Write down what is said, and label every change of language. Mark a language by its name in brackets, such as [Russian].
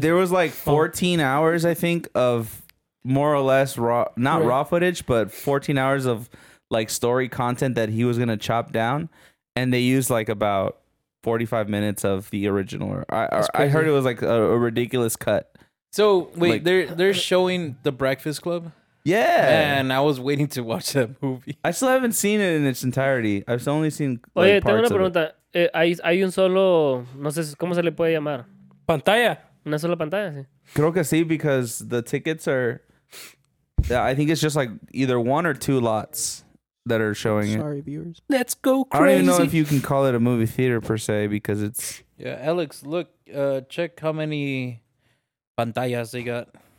[English] There was like 14 hours, I think, of more or less raw footage, but 14 hours of like story content that he was going to chop down. And they used like about 45 minutes of the original. I heard it was like a ridiculous cut. So wait, like, they're showing The Breakfast Club? Yeah. And I was waiting to watch that movie. I still haven't seen it in its entirety. I've only seen like, parts of it. [Spanish] Oye, tengo una pregunta. Hay un solo, no sé cómo se le puede llamar. Pantalla. Una sola pantalla, sí. Creo que sí, [English] because the tickets are, I think it's just like either one or two lots that are showing Sorry, it. Sorry, viewers. Let's go crazy. I don't even know if you can call it a movie theater per se, because it's... Yeah, Alex, look, check how many pantallas they got.